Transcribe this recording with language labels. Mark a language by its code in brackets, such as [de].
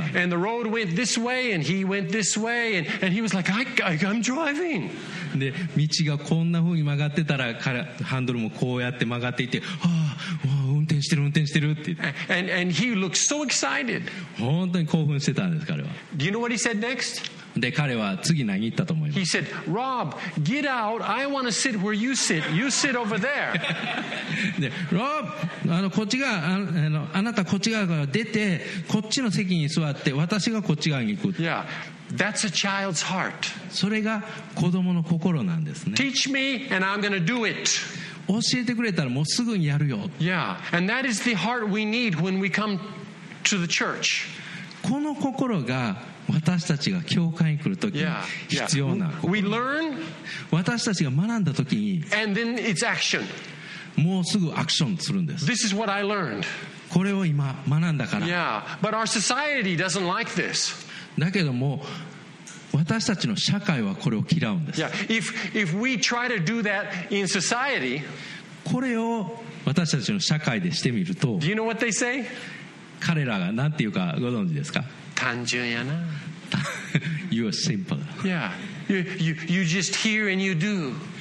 [en] the road went this way, and he went this way, and he was like, I'm driving. [ja] で道がこんな風に曲がってたらハンドルもこうやって曲がっていて、はあ、わあ運転してるって言って [en] and he looked so excited. [ja] 本当に興奮してたんです彼は。 [en] Do you know what he said next? [ja] で彼は次何言ったと思います。 [en] He said, Rob, get out. I want to sit where you sit. You sit over there. [ja] で Rob, こっち側 あなたこっち側から出てこっちの席に座って私がこっち側に行く。 [en] YeahThat's a child's heart. [ja] それが子供の心なんですね。 [en] Teach me and I'm going to do it. [ja] 教えてくれたらもうすぐにやるよ。 [en] Yeah, and that is the heart we need when we come to the church. [ja] この心が私たちが教会に来るときに必要な心。 [en] We learn. [ja] 私たちが学んだときに。 [en] And then it's action. [ja] もうすぐアクションするんです。 [en] This is what I learned. [ja] これを今学んだから。 [en] Yeah, but our society doesn't like this. [ja] だけども私たちの社会はこれを嫌うんです。 [en] Yeah, if we try to do that in society, [ja] これを私たちの社会でしてみると、 [en] Do you know what they say? [ja] 彼らが何て言うかご存知ですか？単純やな。 [en] You are simple. Yeah, you just hear and you do.